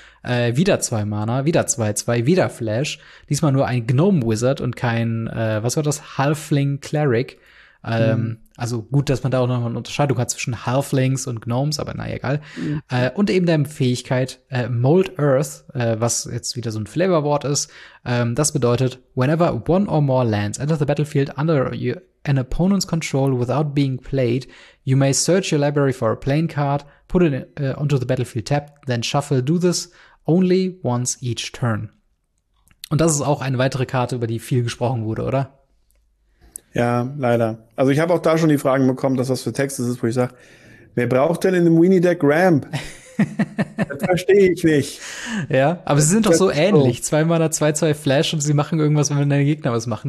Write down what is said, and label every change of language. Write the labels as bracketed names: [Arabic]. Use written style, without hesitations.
[German] Wieder zwei Mana, wieder 2/2, wieder Flash. Diesmal nur ein Gnome Wizard und kein, was war das? Halfling Cleric. Also gut, dass man da auch noch eine Unterscheidung hat zwischen Halflings und Gnomes, aber naja, egal. Und eben der Fähigkeit Mold Earth, was jetzt wieder so ein Flavorwort ist. Das bedeutet, [English] whenever one or more lands enter the battlefield under an opponent's control without being played, you may search your library for a playing card, put it onto the battlefield tapped, then shuffle, do this only once each turn. [German] Und das ist auch eine weitere Karte, über die viel gesprochen wurde, oder? Ja, leider. Also ich habe auch da schon die Fragen bekommen, dass das für Text ist, wo ich sage, wer braucht denn in dem Weenie-Deck Ramp? Das verstehe ich nicht. Ja, aber sie sind doch Das so ist ähnlich. so. Zwei Mana, 2/2 Flash und sie machen irgendwas, wenn deine Gegner was machen.